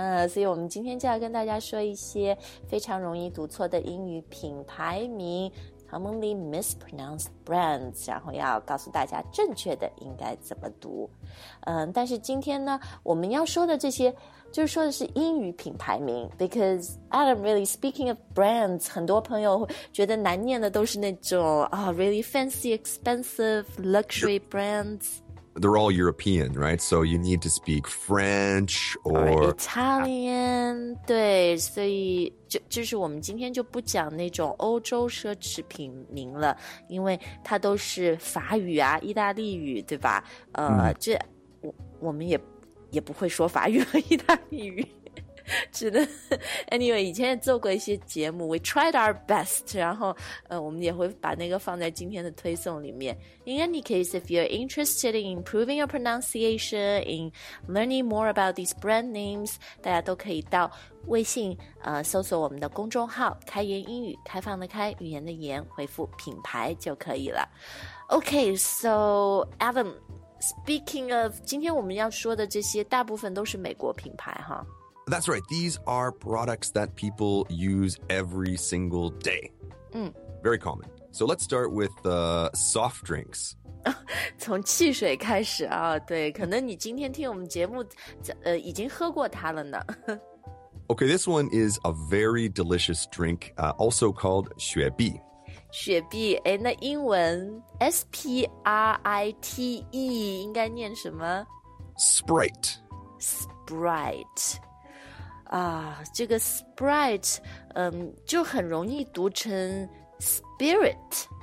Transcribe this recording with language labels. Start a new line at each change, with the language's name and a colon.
Chinese: 所以我们今天就要跟大家说一些非常容易读错的英语品牌名
English: commonly mispronounced brands，
Chinese: 然后要告诉大家正确的应该怎么读。但是今天呢，我们要说的这些就是说的是英语品牌名 ，
English: because Adam really speaking of brands，
Chinese: 很多朋友觉得难念的都是那种啊、
English: oh, really fancy expensive luxury brands。 They're all European, right? So you need to speak French or Italian.
Chinese: 对，所以就是我们今天就不讲那种欧洲奢侈品名了，因为它都是法语啊，意大利语，对吧？这我们也不会说法语和意大利语，只能 anyway 以前也做过一些节目 ，
English: we tried our best，
Chinese: 然后我们也会把那个放在今天的推送里面。
English: In any case, if you're interested in improving your pronunciation, in learning more about these brand names,
Chinese: 大家都可以到微信搜索我们的公众号“开言英语”，开放的开，语言的言，回复品牌就可以了。
English: Okay, so Adam, speaking of,
Chinese: 今天我们要说的这些大部分都是美国品牌哈。
English: That's right. These are products that people use every single day. Very common. So let's start with soft drinks.
Chinese: 从汽水开始啊，对，可能你今天听我们节目，已经喝过它了呢。
English: Okay, this one is a very delicious drink, also called 雪碧。
Chinese: 雪碧，哎，那英文 S-P-R-I-T-E 应该念什么
English: ？Sprite. Sprite.
Chinese: 这个 Sprite, 就很容易读成 Spirit.